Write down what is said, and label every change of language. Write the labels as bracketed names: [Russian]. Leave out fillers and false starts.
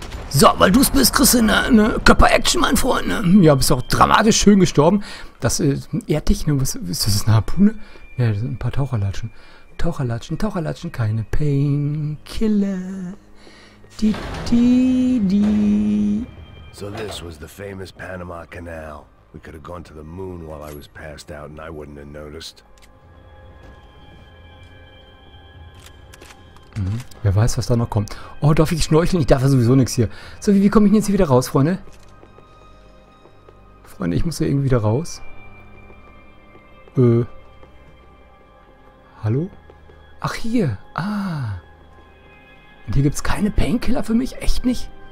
[German] So, weil du es bist, kriegst du eine Körper-Action, mein Freund. Ne? Ja, bist auch dramatisch schön gestorben. Das ehrt dich, ne? Was ist das, eine Harpune? Ja, das sind ein paar Taucherlatschen. Taucherlatschen, Taucherlatschen, keine Painkiller. [English] So, this was the famous Panama Canal. We could have gone to the moon while I was passed out and I wouldn't have noticed. Mhm. [German] Wer weiß, was da noch kommt. Oh, darf ich schnorcheln? Ich darf ja sowieso nichts hier. So, wie komme ich jetzt hier wieder raus, Freunde? Freunde, ich muss ja irgendwie wieder raus. Hallo? Ach, hier. Ah. Und hier gibt's keine Painkiller für mich? Echt nicht?